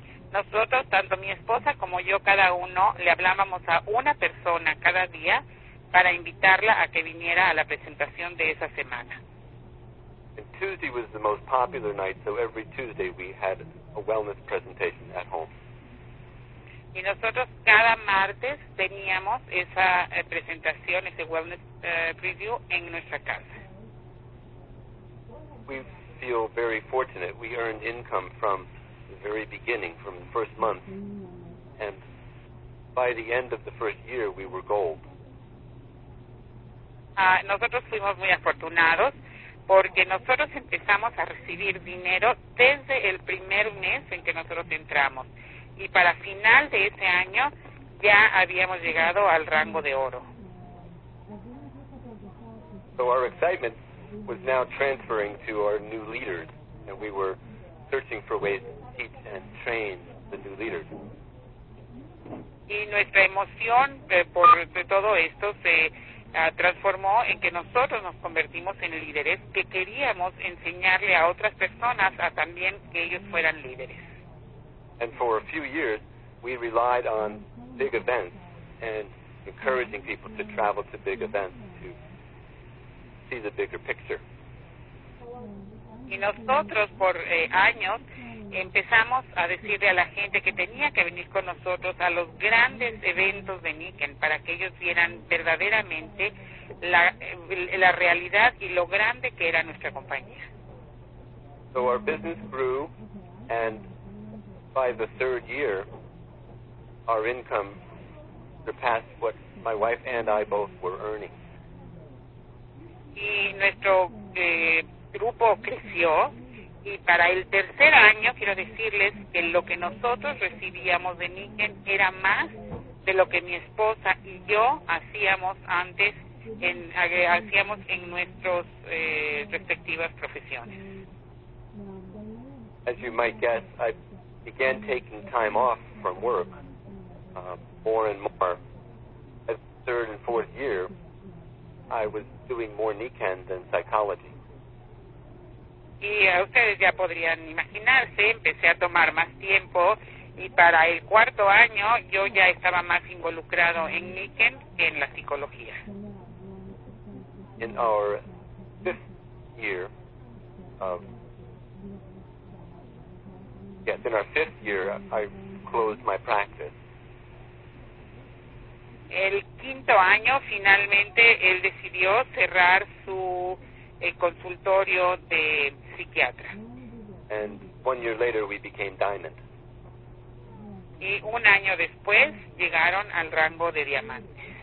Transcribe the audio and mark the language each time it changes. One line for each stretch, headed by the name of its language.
Spanish: Nosotros, tanto mi esposa como yo, cada uno, le hablábamos a una persona cada día para invitarla a que viniera a la presentación de esa semana.
English: And Tuesday was the most popular night, so every Tuesday we had a wellness presentation at home.
Spanish: Y nosotros cada martes teníamos esa presentación, ese
English: wellness preview
Spanish: en nuestra casa.
English: We feel very fortunate. We earned income from the very beginning, from the first month, and by the end of the first year, we were gold.
Spanish: Nosotros fuimos muy afortunados porque nosotros empezamos a recibir dinero desde el primer mes en que nosotros entramos, y para final de ese año ya habíamos llegado al rango de oro.
English: So our excitement was now transferring to our new leaders, and we were searching for ways to teach and train the new leaders.
Spanish: Y nuestra emoción por todo esto se transformó en que nosotros nos convertimos en líderes que queríamos enseñarle a otras personas a también que ellos fueran líderes.
English: And for a few years, we relied on big events and encouraging people to travel to big events to see the bigger picture.
Spanish: Y nosotros por años empezamos a decirle a la gente que tenía que venir con nosotros a los grandes eventos de Niken para que ellos vieran verdaderamente la realidad y lo grande que era nuestra compañía.
English: So our business grew, and by the third year, our income surpassed what my wife and I both were earning.
Spanish: Y nuestro grupo creció, y para el tercer año quiero decirles que lo que nosotros recibíamos de Nikken era más de lo que mi esposa y yo hacíamos antes en nuestros respectivas profesiones.
English: As you might guess, I began taking time off from work more and more. At the third and fourth year, I was doing more Nikken than psychology.
Spanish: Y ustedes ya podrían imaginarse, empecé a tomar más tiempo, y para el cuarto año yo ya estaba más involucrado en Nikken que en la psicología.
English: In our fifth year of Yes, in our fifth year, I closed my practice.
Spanish: El quinto año, finalmente, él decidió cerrar su consultorio de psiquiatra.
English: And 1 year later, we became diamond.
Spanish: Y un año después, llegaron al rango de diamante.